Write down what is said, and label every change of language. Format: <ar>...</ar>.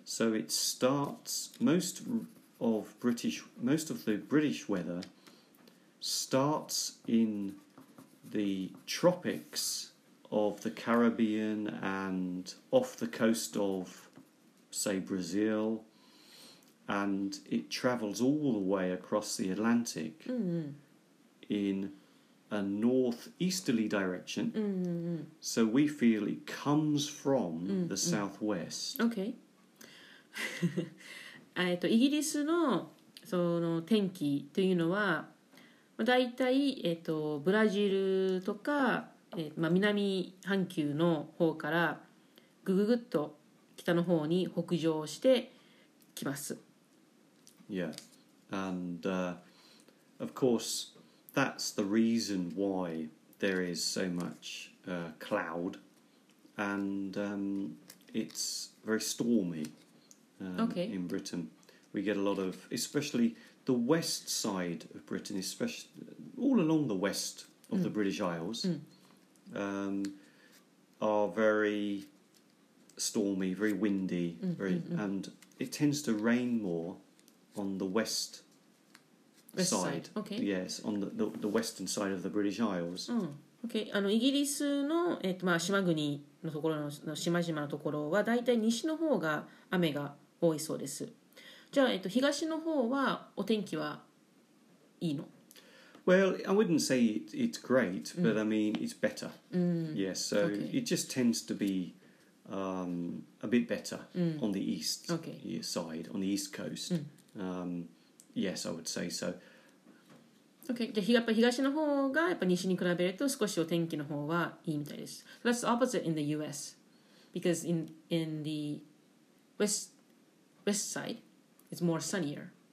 <en>So it starts, most of the British weather starts in the tropics of the Caribbean and off the coast of, say, Brazil, and it travels all the way across the Atlantic in a northeasterly direction. Mm-hmm. So we feel it comes from the southwest. Okay.</en> <ja>イギリスのその天気というのは、まあ、だいたい、ブラジルとか、まあ、南半球の方からぐぐぐっと北の方に北上してきます。</ja> <en>Yeah, and of course, that's the reason why there is so much cloud, and it's very stormy in Britain. We get a lot of, especially the west side of Britain, especially all along the west of the British Isles, are very stormy, very windy, and it tends to rain more on the west side. Okay. Yes, on the western side of the British Isles.</en> <ja>Okay. あのイギリスの、まあ、島国のところの、の島々のところはだいたい西の方が雨が多いそうです。じゃあ、東の方はお天気はいいの?</ja> <en>Well, I wouldn't say it's great, but I mean, it's better. Yes, so it just tends to be a bit better on the east side, on the east coast. Yes, I would say so.</en> <ja>Okay, じゃあ東の方がやっぱ西に比べると少しお天気の方はいいみたいです。</ja> <en>That's the opposite in the US, because in the west side, it's more sunnier.</en>